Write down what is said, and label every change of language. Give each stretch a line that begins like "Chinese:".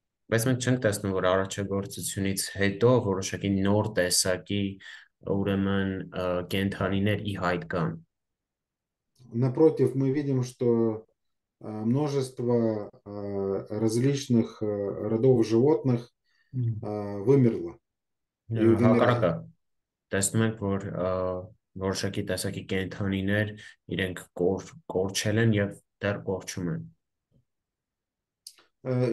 Armenian: Բայց մենք չենք տեսնում, որ առաջագործությունից հետո որոշակի նոր տեսակի, ուրեմն կենդանիներ ի հայտ կան։
Russian: Напротив, мы видим, что множество различных родов животных вымерло и вымирает.
Armenian: Հակառակը տեսնում ենք, որ որոշակի տեսակի կենդանիներ իրենք կորչել են և դեռ կորչում են։